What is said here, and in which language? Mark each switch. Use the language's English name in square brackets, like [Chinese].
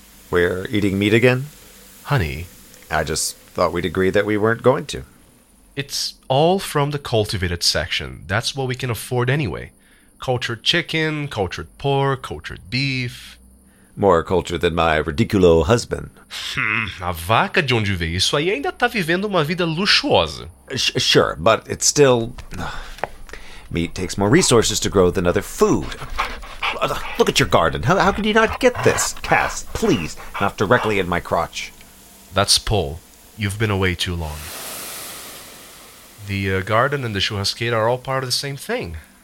[English] We're eating meat again? Honey. I just thought we'd agree that we weren't going to. It's all from the cultivated section. That's what we can afford anyway. Cultured chicken, cultured pork, cultured beef. More cultured than my ridiculous husband. [Portuguese] A vaca de onde veio isso aí ainda tá vivendo uma vida luxuosa. [English] Sure, but it's still... Meat takes more resources to grow than other food. Look at your garden. How can you not get this? Cass, please, not directly in my crotch. That's Paul. You've been away too long. The garden and the churrasqueira are all part of the same thing.